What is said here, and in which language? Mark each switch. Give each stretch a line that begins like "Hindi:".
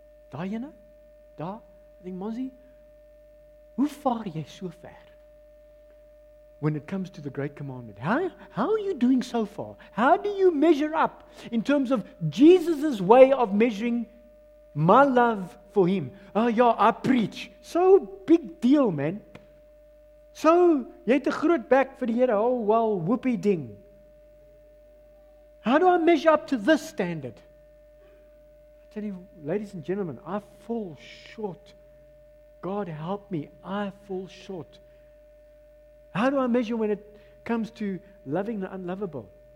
Afrikaans: Diana,
English: I think
Afrikaans: Mozzie, hoe vaar jy so ver?
English: When it comes to the great commandment, how are you doing so far? How do you measure up in terms of Jesus' way of measuring my love for him? Oh yeah, I preach. So big deal, man.
Afrikaans: So, jy het 'n groot bek vir die Here.
English: Oh well, whoopie ding. How do I measure up to this standard? I tell you, ladies and gentlemen, I fall short. God help me, I fall short. How do I measure when it comes to loving the unlovable?